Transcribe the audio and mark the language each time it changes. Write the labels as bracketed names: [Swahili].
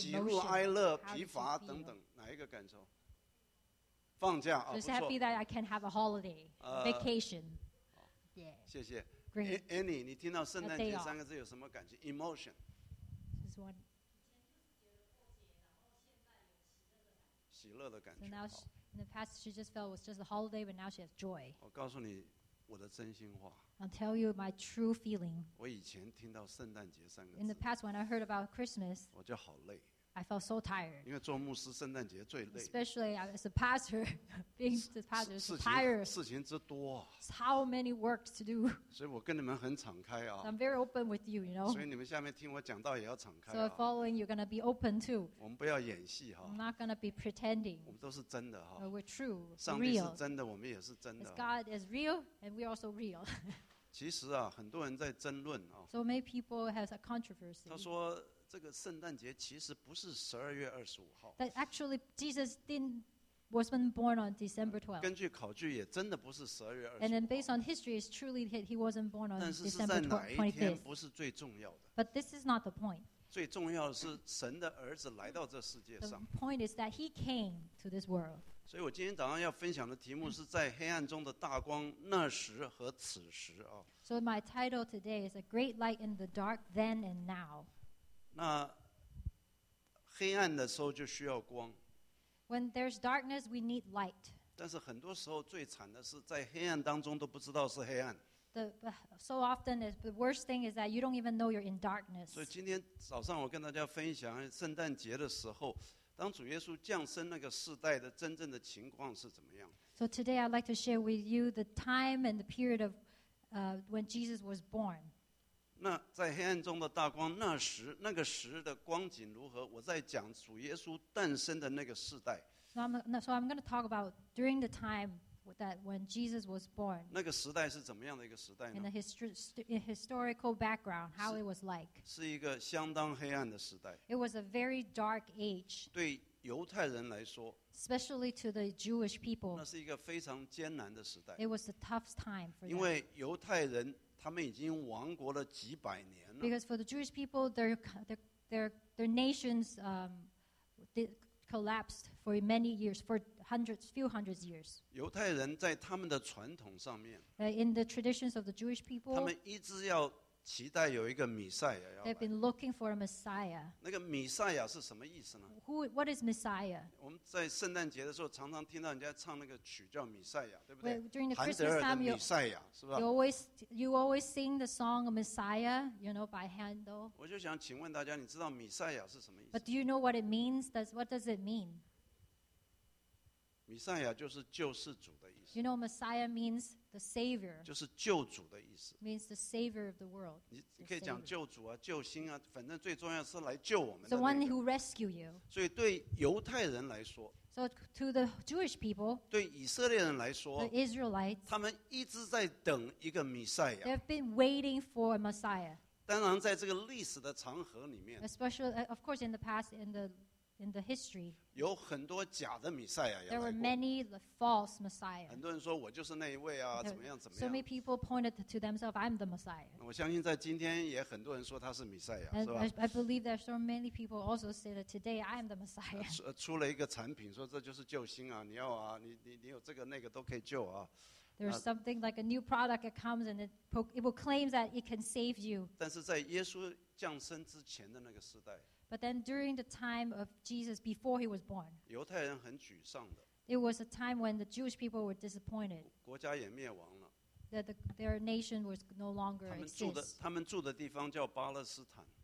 [Chinese] 喜怒哀乐疲乏等等，哪一个感受？放假啊，不错。 [English] Just happy that I can have a holiday, vacation. Yeah. [Chinese] 谢谢。 Annie, 你听到圣诞节三个字有什么感情 ？ [English] Emotion. Just one. [Chinese] 喜乐的感觉。 [English] In the past, she just felt it was just a holiday, but now she has joy. [Chinese] 我告诉你我的真心话。 [English] I'll tell you my true feeling. [Chinese] 我以前听到圣诞节三个字。 [English] In the past, when I heard about Christmas, [Chinese] 我就好累。 [English] I felt so tired. [Chinese] 因为做牧师，圣诞节最累。 [English] Especially as a pastor, being the pastor is tired. [Chinese] 事情之多。 [English] It's how many works to do. [Chinese] 所以我跟你们很敞开啊。 [English] I'm very open with you, you know. [Chinese] 所以你们下面听我讲道也要敞开啊。 [English] So following, you're gonna be open too. [Chinese] 我们不要演戏哈。 [English] I'm not gonna be pretending. [Chinese] 我们都是真的哈。 [English] We're true, real. [Chinese] 上帝是真的，我们也是真的。 [English] God is real, and we're also real. [Chinese] 其实啊，很多人在争论啊。 [English] So many people have a controversy. [Chinese] 他说。这个圣诞节其实不是十二月二十五号。 [English] That actually Jesus wasn't born on December 12th. [Chinese] 根据考据，也真的不是十二月二十五。 [English] And then based on history, it's truly that he wasn't born on December 25th. [Chinese] 但是在哪一天不是最重要的。 [English] But this is not the point. [Chinese] 最重要的是神的儿子来到这世界上。 [English] The point is that he came to this world. [Chinese] 所以我今天早上要分享的题目是在黑暗中的大光，那时和此时啊。 [English] So my title today is a great light in the dark, then and now. [Chinese] 那黑暗的时候就需要光。 [English] When there's darkness, we need light. [Chinese] 但是很多时候最惨的是在黑暗当中都不知道是黑暗。 [English] So often, the worst thing is that you don't even know you're in darkness. [Chinese] 所以今天早上我跟大家分享圣诞节的时候，当主耶稣降生那个世代的真正的情况是怎么样。 [English] So today, I'd like to share with you the time and the period of when Jesus was born. [Chinese] 那在黑暗中的大光，那时那个时的光景如何？我在讲主耶稣诞生的那个世代。 [English] So I'm going to talk about during the time that when Jesus was born. [Chinese] 那个时代是怎么样的一个时代呢 [English] ？In the historical background, how it was like. [Chinese] 是一个相当黑暗的时代。 [English] It was a very dark age. [Chinese] 对犹太人来说 [English] ，especially to the Jewish people. [Chinese] 那是一个非常艰难的时代。 It was a tough time for them. 因为犹太人。他们已经亡国了几百年了。 [English] Because for the Jewish people, their nations collapsed for many years, for hundreds, few hundreds years. [Chinese] 犹太人在他们的传统上面 [English] ，in the traditions of the Jewish people, [Chinese] 他们一直要期待有一个弥赛亚要来。 [English] They've been looking for a Messiah. [Chinese] 那个弥赛亚是什么意思呢 [English] ？What is Messiah? [Chinese] 我们在圣诞节的时候常常听到人家唱那个曲叫弥赛亚，对不对 [English] ？During the Christmas time, [Chinese] 弥赛亚是吧 [English] ？You always sing the song of Messiah, you know, by Handel. [Chinese] 我就想请问大家，你知道弥赛亚是什么意思 [English] ？But do you know what it means? What does it mean? [Chinese] 弥赛亚就是救世主的意思。 [English] You know, Messiah means. The Savior [Chinese] 就是救主的意思 [English] means the Savior of the world. [Chinese] 你可以讲救主啊，救星啊，反正最重要是来救我们的。 [English] The one who rescue you. [Chinese] 所以对犹太人来说 [English] ，So to the Jewish people. [Chinese] 对以色列人来说 [English] ，The Israelites. [Chinese] 他们一直在等一个弥赛亚。 [English] They've been waiting for a Messiah. [Chinese] 当然，在这个历史的长河里面 [English] ，Especially of course in the past in the history. [Chinese] 有很多假的弥赛亚要来 [English] 过。There were many false messiahs. [Chinese] 很多人说我就是那一位啊，怎么样怎么 [English] 样。So many people pointed to themselves, I'm the Messiah. [Chinese] 我相信在今天也很多人说他是弥赛亚，是吧 [English] ？I believe that so many people also say that today I am the Messiah. [Chinese] 出了一个产品，说这就是救星啊，你要啊，你有这个那个都可以救啊。 [English] There's something like a new product that comes and it will claim that it can save you. [Chinese] 但是在耶稣降生之前的那个时代。 [English] But then during the time of Jesus, before he was born, [Chinese] 犹太人很沮丧的。 [English] It was a time when the Jewish people were disappointed. [Chinese] 国家也灭亡了。 [English] That their nation was no longer exists. [Chinese] 他们住的地方叫巴勒斯坦。